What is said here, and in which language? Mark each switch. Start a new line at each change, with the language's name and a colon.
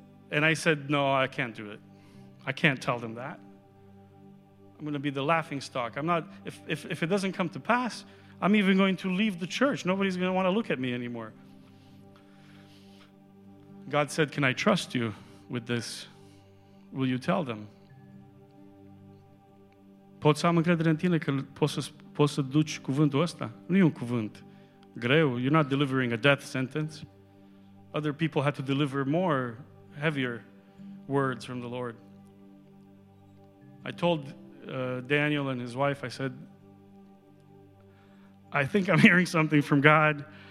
English: And I said, no, I can't do it. I can't tell them that. I'm going to be the laughingstock. I'm not. If it doesn't come to pass, I'm even going to leave the church. Nobody's going to want to look at me anymore. God said, can I trust you with this? Will you tell them?
Romanian: Pot să am încredere în tine că poți să duci cuvântul ăsta? Nu e un cuvânt greu.
English: You're not delivering a death sentence. Other people had to deliver more heavier words from the Lord. I told Daniel and his wife, I said, I think I'm hearing something from God.